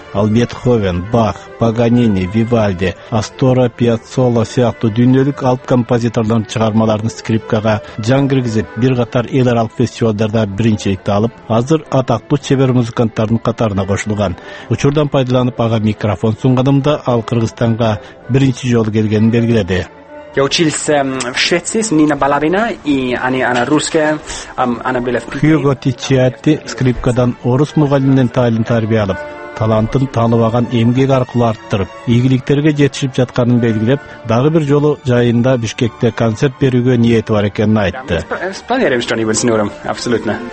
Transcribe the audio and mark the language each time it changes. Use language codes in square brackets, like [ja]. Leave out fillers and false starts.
[ky] Ал Бетховен, Бах, Паганини, Вивальди, Астора, Пьяццолла сыяктуу дүйнөлүк алып композиторлордун чыгармаларын скрипкага жан киргизип, бир катар эл аралык фестивалдарда биринчиликти алып, азыр атактуу чебер музыканттардын катарына кошулган. Учурдан пайдаланып ага микрофон сунганымда ал Кыргызстанга биринчи жолу келгенин белгиледи. [ru] Я учился в Швеции с Ниной Балабина, и она русская, она была в Питере. [ky] Хьюго Тичиати скрипкадан орус мугалимден таалим тарбия алып, талантын таалыбаган эмгек аркылуу арттырып, ийгиликтерге жетишип жатканын белгилеп, дагы бир жолу жайында Бишкекте концерт берүүгө ниети бар экенин айтты. [ru] Планируем что-нибудь с Нуром, абсолютно.